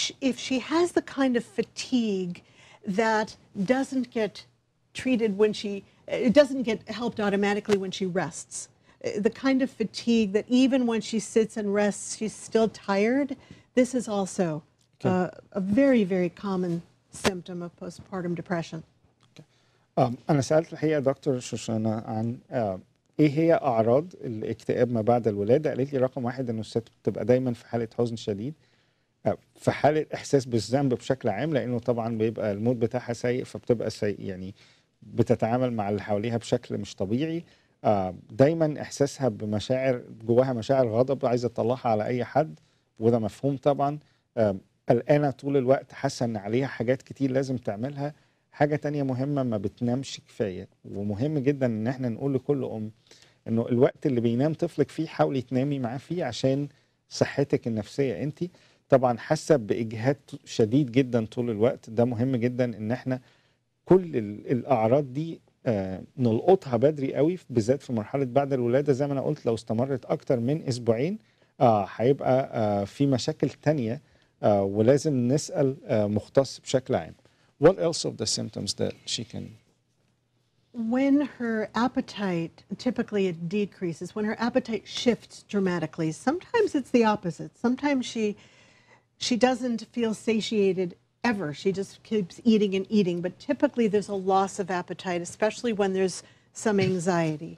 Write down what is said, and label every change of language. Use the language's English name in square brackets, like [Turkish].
[English] If she has the kind of fatigue that doesn't get treated when she, it doesn't get helped automatically when she rests, the kind of fatigue that even when she sits and rests, she's still tired, this is also a very, very common symptom of postpartum depression. [Arabic] أنا سألت الحقيقة دكتور شوشانا عن إيه هي أعراض الاكتئاب ما بعد الولادة؟ قالت لي رقم واحد أنه الست بتبقى دايماً في حالة حزن شديد، في حالة إحساس بالذنب بشكل عام، لأنه طبعاً بيبقى المود بتاعها سيء، فبتبقى سيء يعني بتتعامل مع اللي حواليها بشكل مش طبيعي، دايماً إحساسها بمشاعر جواها مشاعر غضب عايزة تطلعها على أي حد، وده مفهوم طبعاً، قلقانة طول الوقت، حاسة إن عليها حاجات كتير لازم تعملها. حاجة تانية مهمة ما بتنامش كفاية، ومهم جدا ان احنا نقول لكل ام انه الوقت اللي بينام طفلك فيه حاولي تنامي معاه فيه عشان صحتك النفسية انت. طبعا حاسة باجهاد شديد جدا طول الوقت، ده مهم جدا ان احنا كل الاعراض دي نلقطها بدري قوي، بالذات في مرحلة بعد الولادة. زي ما انا قلت لو استمرت اكتر من اسبوعين هيبقى في مشاكل تانية، ولازم نسأل مختص بشكل عام. [English] What else of the symptoms that she can? When her appetite, typically it decreases, when her appetite shifts dramatically, sometimes it's the opposite. Sometimes she doesn't feel satiated ever. She just keeps eating and eating. But typically there's a loss of appetite, especially when there's some anxiety.